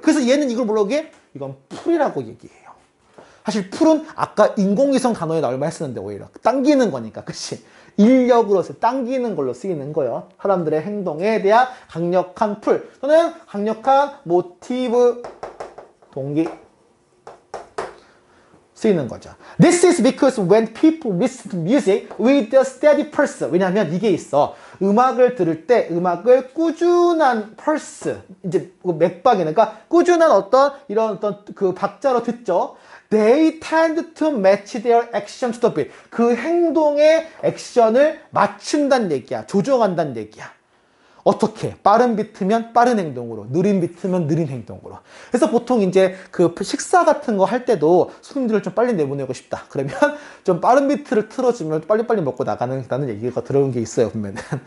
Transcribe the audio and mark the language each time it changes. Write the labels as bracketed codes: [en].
[ko] 그래서 얘는 이걸 뭐라고 해? 이건 풀이라고 얘기해요. 사실 풀은 아까 인공위성 단어에 나올 만 했었는데, 오히려 당기는 거니까. 그치? 인력으로서 당기는 걸로 쓰이는 거예요. 사람들의 행동에 대한 강력한 풀, 또는 강력한 모티브, 동기 쓰이는 거죠. [en] This is because when people listen to music with a steady pulse. [ko] 왜냐하면 이게 있어. 음악을 들을 때 음악을 꾸준한 pulse, 이제 맥박이니까, 그러니까 꾸준한 어떤 이런 어떤 그 박자로 듣죠. [en] They tend to match their action to the beat. [ko] 그 행동의 액션을 맞춘다는 얘기야. 조정한다는 얘기야. 어떻게? 빠른 비트면 빠른 행동으로, 느린 비트면 느린 행동으로. 그래서 보통 이제 그 식사 같은 거 할 때도 손님들을 좀 빨리 내보내고 싶다. 그러면 좀 빠른 비트를 틀어주면 빨리빨리 먹고 나가는다는 얘기가 들어온 게 있어요, 보면은.